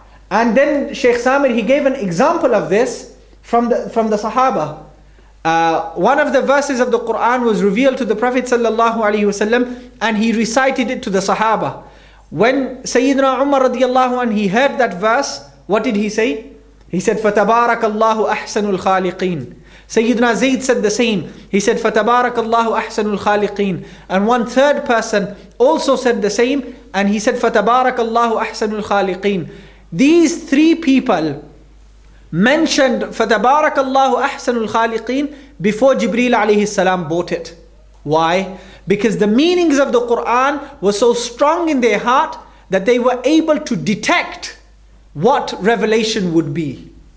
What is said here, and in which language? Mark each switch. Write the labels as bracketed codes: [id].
[en] And then Shaykh Samir, he gave an example of this from the Sahaba. One of the verses of the Quran was revealed to the Prophet sallallahu alaihi wasallam, and he recited it to the Sahaba. When Sayyidina Umar radiallahu anhu, he heard that verse, what did he say? He said, [ar] فَتَبَارَكَ اللَّهُ أَحْسَنُ الْخَالِقِينَ. [en] Sayyidina Zayd said the same. He said, [ar] فَتَبَارَكَ اللَّهُ أَحْسَنُ الْخَالِقِينَ. [en] And one third person also said the same, and he said, [ar] فَتَبَارَكَ اللَّهُ أَحْسَنُ الْخَالِقِينَ. [en] These three people mentioned [ar] فَتَبَارَكَ اللَّهُ أَحْسَنُ الْخَالِقِينَ [en] before Jibreel alayhi salam bought it. Why? Because the meanings of the Quran were so strong in their heart that they were able to detect what revelation would be.